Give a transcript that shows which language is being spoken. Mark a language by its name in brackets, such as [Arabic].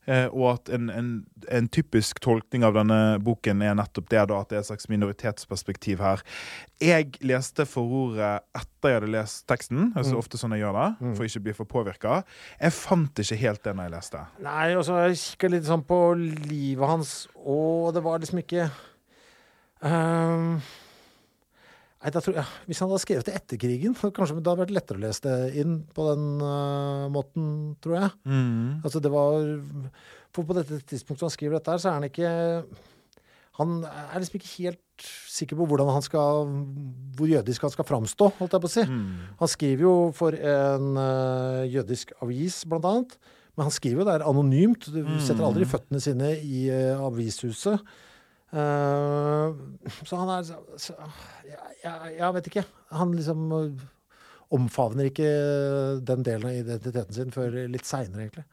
[Swedish] Och att en typisk tolkning av denna boken är nettopp det då att det är slags minoritetsperspektiv här. Jag läste förordet efter jag hade läst texten, alltså ofta såna gör det för att inte bli för påverkad. Jag fant inte helt den när jag läste. Nej, och så jag kikade lite sån på livet hans och det var det så mycket. [Norwegian] Nei, da tror jeg, hvis han hadde skrevet det etter krigen, kanskje det hadde vært lettere å lese det inn på den måten, tror jeg. Altså det var, for på dette tidspunktet han skriver dette her, så han ikke, han liksom ikke helt sikker på hvordan han skal, hvor jødisk han skal framstå, holdt jeg på å si. Han skriver jo for en jødisk avis, blant annet, men han skriver jo der anonymt, du setter aldri føttene sine I avishuset, så han så [Swedish] jag vet inte [Norwegian] han liksom omfavner inte den delen av identiteten sin för lite senare egentligen.